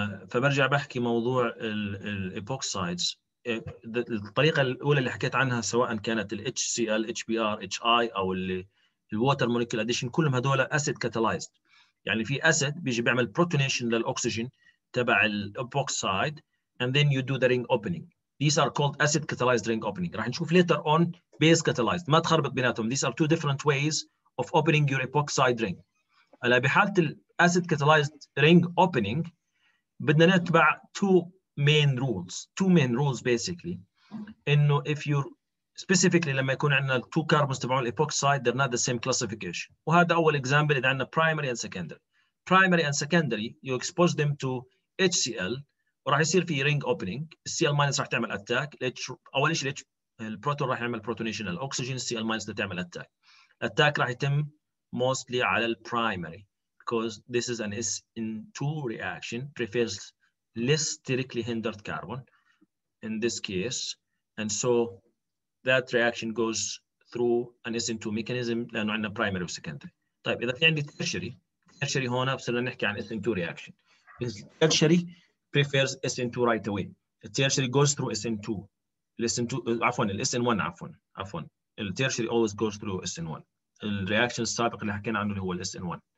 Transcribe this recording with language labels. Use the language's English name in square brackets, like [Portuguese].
[Arabic] فبرجع بحكي موضوع الإيبوكسايدز. الطريقة الأولى اللي حكيت عنها سواء كانت الـ HCl, HBr, HI أو الـ Water Molecule Addition كلهم هدول Acid Catalyzed. يعني في Acid بيجي بيعمل Protonation للأكسجين تبع الإيبوكسايد [English] and then you do the ring opening. These are called Acid Catalyzed Ring Opening. [Arabic] راح نشوف [English] later on Base Catalyzed. [Arabic] ما تخربط بيناتهم. [English] These are two different ways of opening your epoxide ring. [Arabic] على بحالة الـ [English] Acid Catalyzed Ring Opening [Arabic] بدنا نتبع [English] two main rules basically. إنه if you specifically [Arabic] لما يكون عندنا [English] two carbons [Arabic] تبعون [English] epoxide they're not the same classification. [Arabic] وهذا أول [English] example [Arabic] إذا عندنا [English] primary and secondary. Primary and secondary you expose them to HCl [Arabic] وراح يصير في [English] ring opening. [Arabic] Cl minus راح تعمل attack. أول شيء الproton راح يعمل protonation للoxygen. Cl minus راح تعمل attack. Attack راح يتم mostly على primary. [English] Because this is an SN2 reaction, prefers less sterically hindered carbon in this case. And so that reaction goes through an SN2 mechanism, [Arabic] لأنه عندنا [English] primary or secondary. [Arabic] طيب إذا في عندي tertiary هنا بصيرنا نحكي عن SN2 reaction. [English] Tertiary prefers SN2 right away. Tertiary goes through SN2. Tertiary always goes through SN1. [Arabic] الreaction السابق اللي حكينا عنه هو SN1.